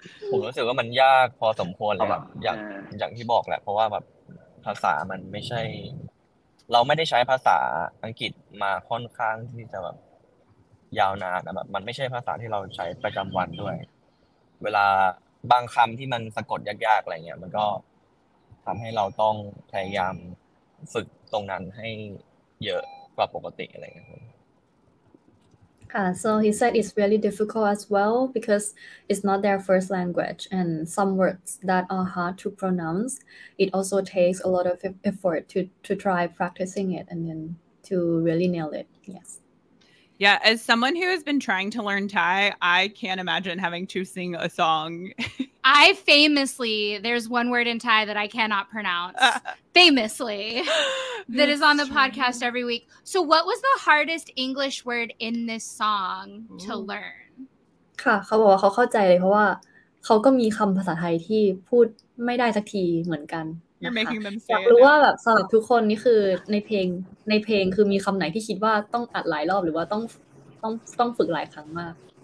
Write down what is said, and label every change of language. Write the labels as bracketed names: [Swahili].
[Thai] ผมรู้สึกว่ามันยากพอสมควรแหละอย่างที่บอกแหละเพราะว่าแบบภาษามันไม่ใช่เราไม่ได้ใช้ภาษาอังกฤษมาค่อนข้างที่จะแบบยาวนานแบบมันไม่ใช่ภาษาที่เราใช้ประจำวันด้วยเวลาบางคำที่มันสะกดยากๆอะไรเงี้ยมันก็ทำให้เราต้องพยายามฝึกตรงนั้นให้เยอะกว่าปกติอะไรเงี้ย [English] So he said it's really difficult as well because it's not their first language, and some words that are hard to pronounce, it also takes a lot of effort to try practicing it and then to really nail it. Yes. Yeah, as someone who has been trying to learn Thai, I can't imagine having to sing a song. I famously, there's one word in Thai that I cannot pronounce, famously, that is on the podcast every week. So what was the hardest English word in this song to learn? [Thai] ค่ะเขาบอกว่าเขาเข้าใจเลยเพราะว่าเขาก็มีคำภาษาไทยที่พูดไม่ได้สักทีเหมือนกัน อ ยากรู้ว่าแบบสำหรับทุกคนนี่คือในเพลงคือมีคำไหนที่คิดว่าต้องอัดหลายรอบหรือว่าต้องฝึกหลายครั้งมาก